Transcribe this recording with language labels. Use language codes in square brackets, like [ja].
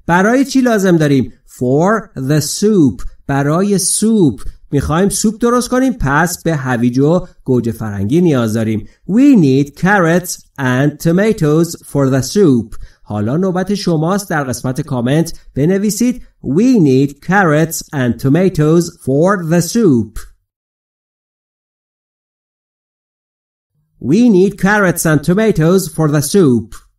[fa] برای چی لازم داریم؟ [en] For the soup. [fa] برای سوپ. میخواییم سوپ درست کنیم، پس به هویج و گوجه فرنگی نیاز داریم. [en] We need carrots and tomatoes for the soup. [fa] حالا نوبت شماست، در قسمت کامنت بنویسید [en] We need carrots and tomatoes for the soup. We need carrots and tomatoes for the soup.